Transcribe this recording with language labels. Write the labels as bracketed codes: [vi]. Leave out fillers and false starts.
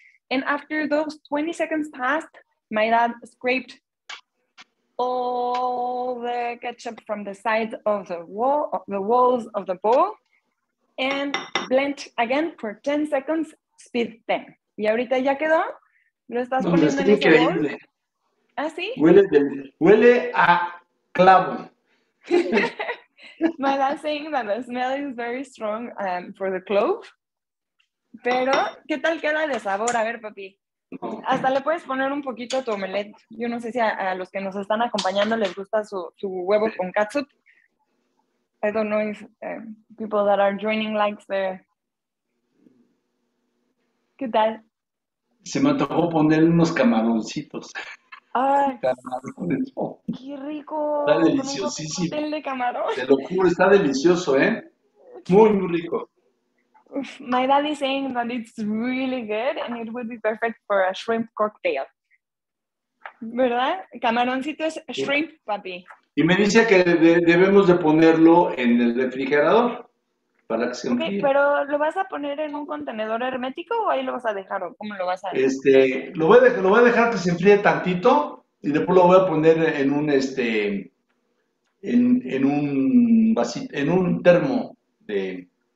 [en] And after those 20 seconds passed, my dad scraped all the ketchup from the sides of the walls of the bowl and blend again for 10 seconds, speed 10. [es] Y ahorita ya quedó. Lo estás poniendo en ese bowl. ¿Ah, sí? Huele a clavo. [en] My dad saying that the smell is very strong for the clove. [es] Pero, ¿qué tal queda de sabor? A ver, papi. Hasta le puedes poner un poquito a tu omelette. Yo no sé si a los que nos están acompañando les gusta su huevo con catsup. [en] I don't know if people that are joining likes there. [es] ¿Qué tal? Se me antojó poner unos camaroncitos. ¡Ay! Camarones. ¡Qué rico! Está deliciosísimo. ¡Pastel de camarón! Te lo juro, está delicioso, ¿eh? Muy, muy rico. [en] My dad is saying that it's really good and it would be perfect for a shrimp cocktail. [es] ¿Verdad? Camaroncito es shrimp, papi. Y me dice que debemos de ponerlo en el refrigerador para que se enfríe. Ok, pero ¿lo vas a poner en un contenedor hermético o ahí lo vas a dejar o cómo lo vas a...? Lo voy a dejar que se enfríe tantito y después lo voy a poner en un, en un termo de...